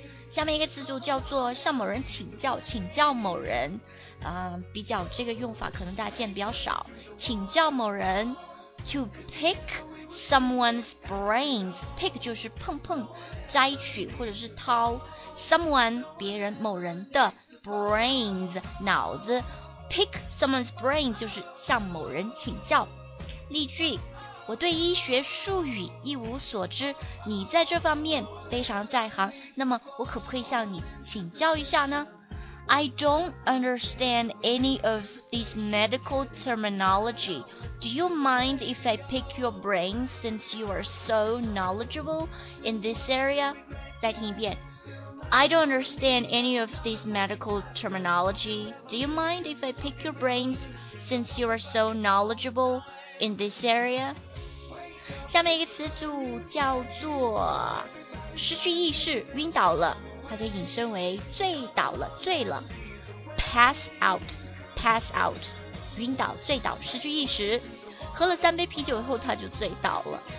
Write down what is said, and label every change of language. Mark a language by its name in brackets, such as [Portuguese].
[Chinese] 下面一个词组叫做向某人请教，请教某人比较这个用法可能大家见得比较少，请教某人 [English] to pick someone's brains, [Chinese] pick 就是碰碰摘取或者是掏， someone 别人某人的 brains 脑子， pick someone's brains 就是向某人请教。例句，我对医学术语一无所知，你在这方面非常在行，那么我可不可以向你请教一下呢？ [English] I don't understand any of this medical terminology. Do you mind if I pick your brain since you are so knowledgeable in this area? [Chinese] 再听一遍。 [English] I don't understand any of this medical terminology. Do you mind if I pick your brains since you are so knowledgeable in this area? [Chinese] 下面一个词组叫做失去意识晕倒了，它可以引申为醉倒了醉了。 [English] Pass out, pass out, [Chinese] 晕倒醉倒失去意识。喝了三杯啤酒以后他就醉倒了。